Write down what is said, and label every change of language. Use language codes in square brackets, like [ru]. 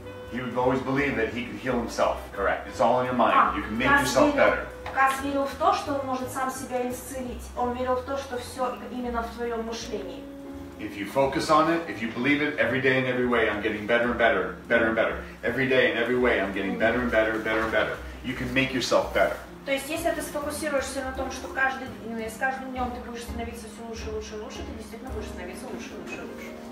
[en] He would always believe that he could heal himself. Correct. It's all in your mind. You can make yourself better. [ru] Касс верил в то, что он может сам себя исцелить. Он верил в то, что все именно в твоем мышлении. [en] If you focus on it, if you believe it, every day and every way, I'm getting better and better, better and better. Every day and every way, I'm getting better and better, better and better. You can make yourself better. [ru] То есть, если ты сфокусируешься на том, что с каждым днем ты будешь становиться все лучше, лучше, лучше, ты действительно будешь становиться лучше, лучше, лучше.